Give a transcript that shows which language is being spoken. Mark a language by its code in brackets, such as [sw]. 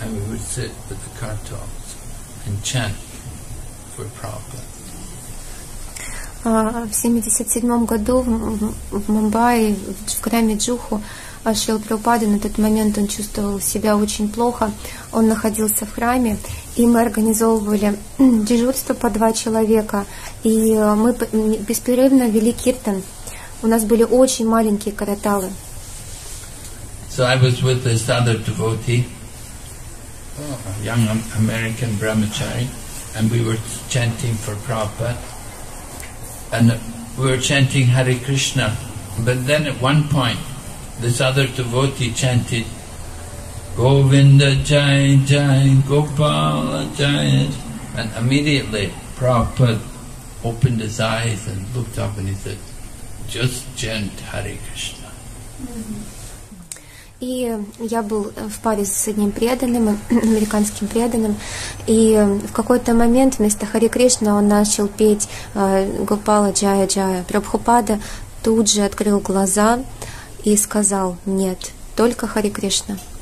[en] And we would sit with the kartals and chant for Prabhupada. [ru] В 77-м году в Мумбаи, в храме Джуху, Шрила Прабхупада, на тот момент он чувствовал себя очень плохо, он находился в храме, и мы организовывали дежурство по 2 человека, и мы беспрерывно вели киртан. У нас были очень маленькие караталы. [en] So I was with this other devotee, a young American brahmachari, and we were chanting for Prabhupada. And we were chanting Hare Krishna, but then at one point, this other devotee chanted, Govinda Jai Jai, Gopala Jai. And immediately Prabhupada opened his eyes and looked up and he said, just chant Hare Krishna. [ru] И я был в паре с одним преданным, американским преданным, и в какой-то момент вместо Хари Кришна он начал петь Гопала Джая Джая. Прабхупада тут же открыл глаза и сказал: нет, только Хари Кришна.